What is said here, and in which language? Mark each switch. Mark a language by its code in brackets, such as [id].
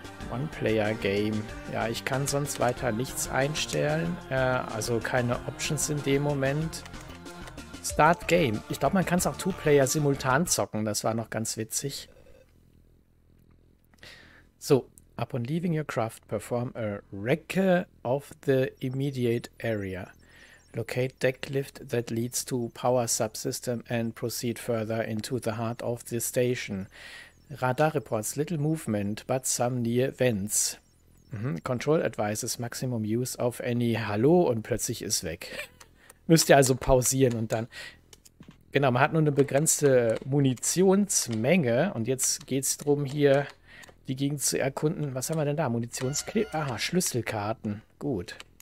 [de] One-Player-Game. Ja, ich kann sonst weiter nichts einstellen. Also keine Options in dem Moment. Start Game. Ich glaube, man kann es auch Two-Player simultan zocken. Das war noch ganz witzig. So. [en] Upon leaving your craft, perform a wreck of the immediate area. Locate deck lift that leads to power subsystem and proceed further into the heart of the station. Radar reports little movement, but some near vents. Mm-hmm. Control advises maximum use of any [de] hallo und plötzlich ist weg. Müsst ihr also pausieren und dann... Genau, man hat nur eine begrenzte Munitionsmenge und jetzt geht's darum, hier die Gegend zu erkunden. Was haben wir denn da? Aha, Schlüsselkarten. Gut.